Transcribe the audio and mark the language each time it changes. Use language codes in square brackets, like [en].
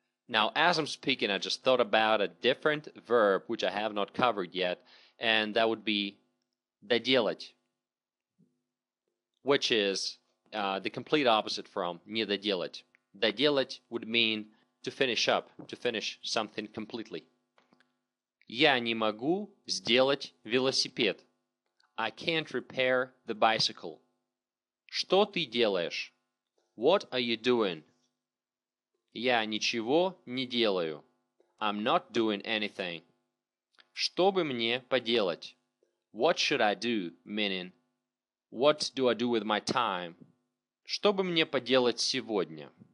[en] Now, as I'm speaking, I just thought about a different verb which I have not covered yet, and that would be доделать. Which is the complete opposite from не доделать. Доделать would mean to finish up, to finish something completely. [ru] Я не могу сделать велосипед. [en] I can't repair the bicycle. [ru] Что ты делаешь? [en] What are you doing? [ru] Я ничего не делаю. [en] I'm not doing anything. [ru] Что бы мне поделать? [en] What should I do? Meaning, what do I do with my time? [ru] Что бы мне поделать сегодня?